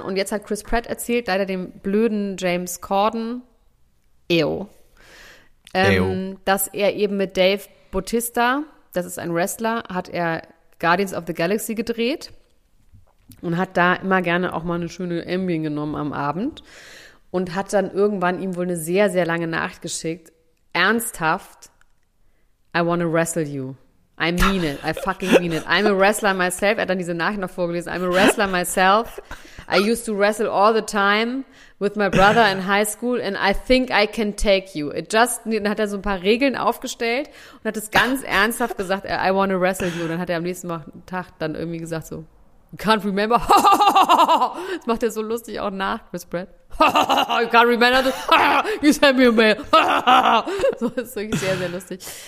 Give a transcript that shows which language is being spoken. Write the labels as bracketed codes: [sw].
[de] Und jetzt hat Chris Pratt erzählt, leider dem blöden James Corden, dass er eben mit Dave Bautista, das ist ein Wrestler, hat er Guardians of the Galaxy gedreht und hat da immer gerne auch mal eine schöne Ambien genommen am Abend und hat dann irgendwann ihm wohl eine sehr, sehr lange Nachricht geschickt. Ernsthaft, [en] I wanna wrestle you. I mean it, I fucking mean it. I'm a wrestler myself. [de] Er hat dann diese Nachricht noch vorgelesen. [en] I'm a wrestler myself. I used to wrestle all the time with my brother in high school and I think I can take you. It just, [de] dann hat er so ein paar Regeln aufgestellt und hat es ganz ernsthaft gesagt, [en] I want to wrestle you. [de] Und dann hat er am nächsten Tag dann irgendwie gesagt so, [en] you can't remember. [de] Das macht er so lustig auch nach, Chris Pratt. [en] You can't remember. You sent me a mail. [de] So, das ist wirklich sehr, sehr lustig.